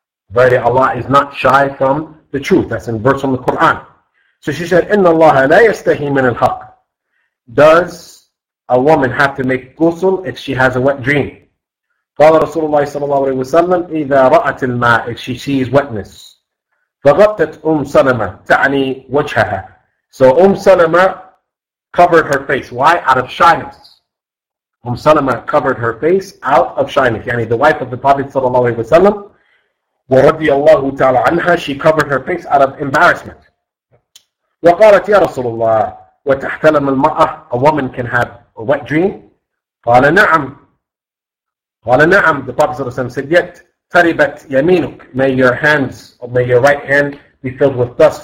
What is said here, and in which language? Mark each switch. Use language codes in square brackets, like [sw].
[en] Verily Allah is not shy from the truth. That's in verse from the Quran. So she said, [ar] إِنَّ اللَّهَ لَا يَسْتَهِي مِنَ الْحَقِّ. [en] Does a woman have to make ghusl if she has a wet dream? [ar] قال رسول الله صلى الله عليه وسلم, إِذَا رَأَتِ الْمَاء, [en] if she sees wetness. [ar] فَغَطَّتْ سَلَمَة, تَعْنِي وَجْهَهَا. [en] So سَلَمَة covered her face. Why? Out of shyness. سَلَمَة covered her face out of shyness. يعني the wife of the Prophet صلى الله عليه وسلم, وَرَضِيَ اللَّهُ تَعَالَى عَنْهَا, she covered her face out of embarrassment. [ar] وقالت يا رسول الله وتحتلم المرأة. [en] A woman can have a wet dream. [ar] قال نعم. قال نعم. [en] The Prophet صلى الله عليه وسلم said, yet [ar] تربت يمينك. [en] May your hands or may your right hand be filled with dust.